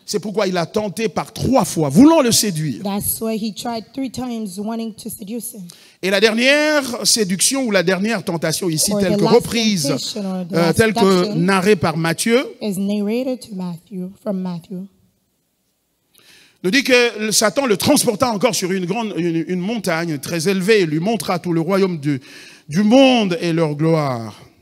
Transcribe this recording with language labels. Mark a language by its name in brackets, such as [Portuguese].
[French] c'est pourquoi il a tenté par trois fois, voulant le séduire. [English] That's why he tried three times wanting to seduce him. [French] Et la dernière séduction ou la dernière tentation ici, [English] or [French] telle que reprise, telle que narrée par Matthieu, [English] is narrated to Matthew, from Matthew. [French] Nous dit que Satan le transporta encore sur une montagne très élevée et lui montra tout le royaume du monde et leur gloire.